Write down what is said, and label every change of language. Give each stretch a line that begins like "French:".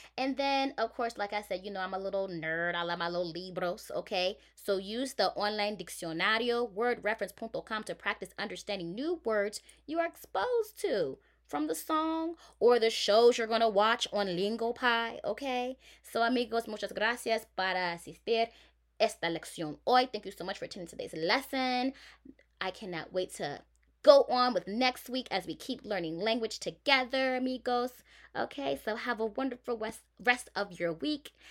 English: And then, of course, like I said, you know, I'm a little nerd. I love my little libros, okay? So use the online diccionario wordreference.com to practice understanding new words you are exposed to from the song or the shows you're going to watch on Lingopi, okay?
Spanish: So, amigos, muchas gracias para asistir esta lección hoy.
English: Thank you so much for attending today's lesson. I cannot wait to go on with next week as we keep learning language together, amigos. Okay, so have a wonderful rest of your week.